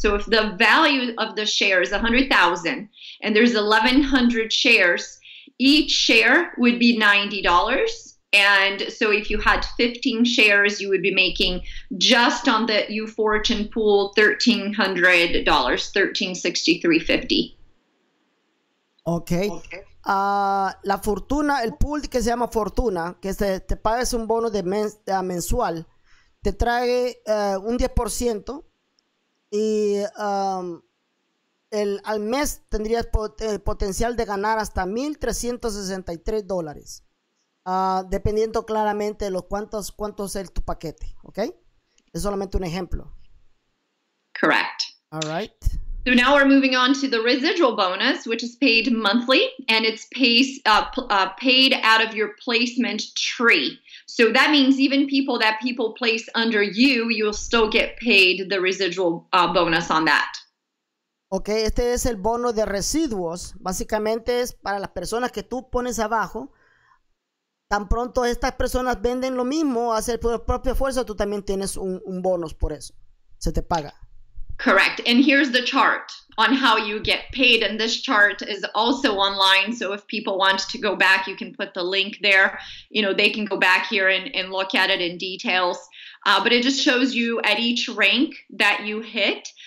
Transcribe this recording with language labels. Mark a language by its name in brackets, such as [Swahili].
[English] So if the value of the share is 100,000 and there's 1,100 shares, each share would be $90. And so if you had 15 shares, you would be making just on the U-Fortune pool $1,300, $1,363.50. Okay. [Spanish] La fortuna, el pool que se llama fortuna, que te pagas un bono de mensual, te trae un 10% y al mes tendrías potencial de ganar hasta $1,363, dependiendo claramente de cuántos es tu paquete, ¿ok? Es solamente un ejemplo. [English] Correct. All right. So now we're moving on to the residual bonus, which is paid monthly, and it's paid out of your placement tree. So that means even people that people place under you, you'll still get paid the residual bonus on that. [Spanish] Okay, este es el bono de residuos. Básicamente es para las personas que tú pones abajo. Tan pronto estas personas venden lo mismo, hacen tu propio esfuerzo, tú también tienes un bonus por eso. Se te paga. [English] Correct. And here's the chart on how you get paid. And this chart is also online. So if people want to go back, you can put the link there. You know, they can go back here and look at it in details. But it just shows you at each rank that you hit.